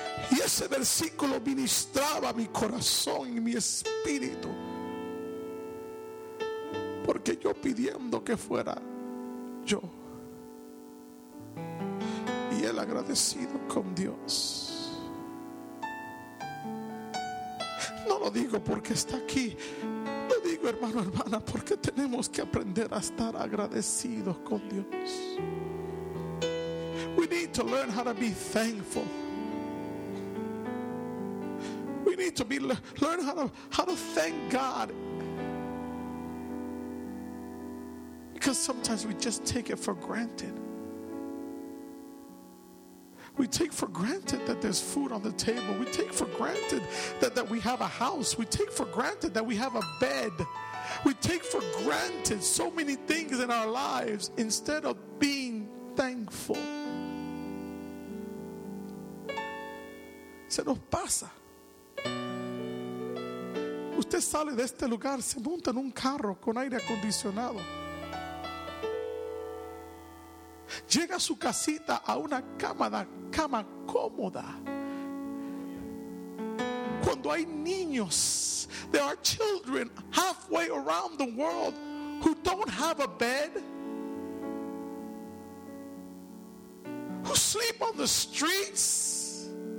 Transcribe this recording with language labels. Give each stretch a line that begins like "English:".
Spanish: Y ese versículo ministraba mi corazón y mi espíritu, porque yo pidiendo que fuera yo, y él agradecido con Dios. No lo digo porque está aquí, lo digo, hermano, hermana, porque tenemos que aprender a estar agradecidos con Dios.
English: We need to learn how to be thankful. We need to learn how to thank God. Because sometimes we just take it for granted. We take for granted that there's food on the table. We take for granted that we have a house. We take for granted that we have a bed. We take for granted so many things in our lives instead of being thankful.
Spanish: Se nos pasa. Usted sale de este lugar, se monta en un carro con aire acondicionado. Llega a su casita a una cama cómoda. Cuando hay niños,
English: there are children halfway around the world who don't have a bed, who sleep on the streets.